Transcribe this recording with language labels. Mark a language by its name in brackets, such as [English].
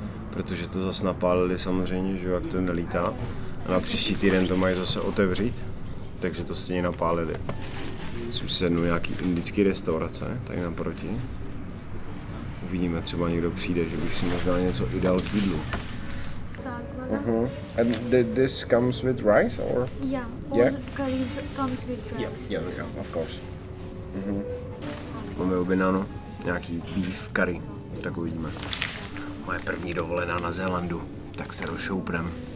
[Czech] Protože to zase napálili samozřejmě, že jak to nelítá. A na příští týden to mají zase otevřít. Takže to stejně napálili. Jsem sednul nějaký indický restaurace, tady naproti. Uvidíme, třeba někdo přijde, že bych si možná něco i dal k jídlu. Uh-huh. [English] And this comes with rice, or? Yeah. The curry comes with rice. Yeah, of course. Uh-huh. [Czech] Máme objednáno nějaký beef curry, tak uvidíme. Moje první dovolená na Zélandu, tak se rozšoupneme.